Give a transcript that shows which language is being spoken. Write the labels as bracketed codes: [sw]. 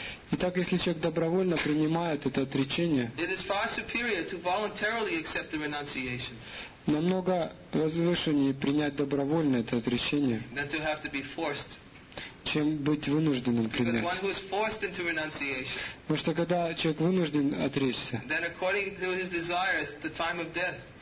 [ru] итак, если человек добровольно принимает это отречение, [en] it is far superior to voluntarily accept the renunciation, [ru] намного возвышеннее принять добровольно это отречение, [en] than to have to be forced, [ru] чем быть вынужденным принять. [en] Because one who is forced into renunciation, [ru] потому что когда человек вынужден отречься, [en] then according to his desires, the time of death,